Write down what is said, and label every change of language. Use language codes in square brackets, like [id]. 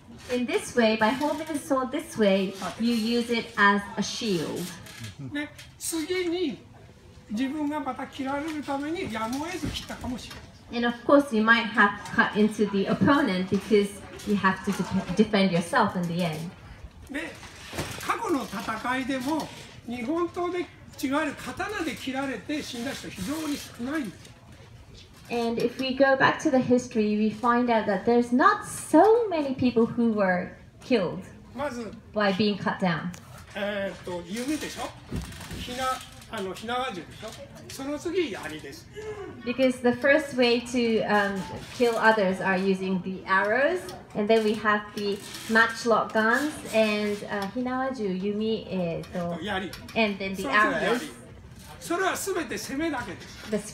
[en] In this way, by holding the sword this way, you use it as a shield. And of course, you might have cut into the opponent becauseYou have to defend yourself in the end. [ja] で、過去の戦いでも日本刀で違う刀で切られて死んだ人非常に少ないんです。 [en] And if we go back to the history, we find out that there's not so many people who were killed by being cut down. [ja] 弓でしょ。ひなわ銃でしょ。その次槍です。 [en] Because the first way to kill others are using the arrows, and then we have the matchlock guns and hinawaju, yumi, and then the arrows. [ja] それはすべて攻めだけです。